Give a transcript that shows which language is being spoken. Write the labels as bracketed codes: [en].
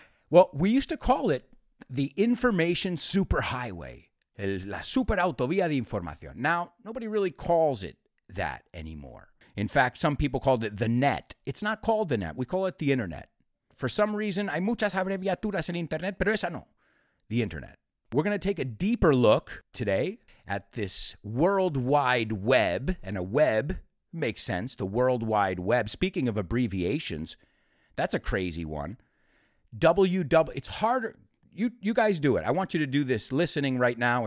[en] Well, we used to call it the information superhighway. [es] La superautovía de información. [en] Now, nobody really calls it that anymore. In fact, some people called it the net. It's not called the net. We call it the internet. For some reason, [es] hay muchas abreviaturas en internet, pero esa no. [en] The internet. We're going to take a deeper look today at this World Wide Web, and a web makes sense, the World Wide Web. Speaking of abbreviations, that's a crazy one. It's harder. You guys do it. I want you to do this listening right now.